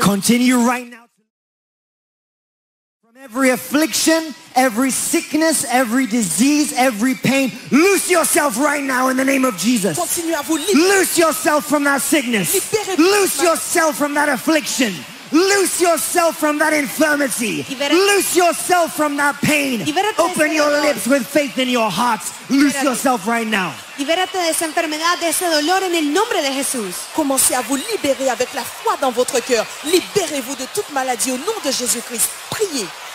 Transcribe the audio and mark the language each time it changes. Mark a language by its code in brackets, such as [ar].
[en] Continue right now. From every affliction, every sickness, every disease, every pain, loose yourself right now in the name of Jesus. [fr] Continue à vous libérer. [en] Loose yourself from that sickness. Loose yourself from that affliction. Loose yourself from that infirmity. Loose yourself from that pain. Open your lips with faith in your heart. Loose yourself right now. [es] Libérate de esa enfermedad, de ese dolor en el nombre de Jesús. [fr] Commencez à vous libérer avec la foi dans votre cœur. Libérez-vous de toute maladie au nom de Jésus-Christ. Priez.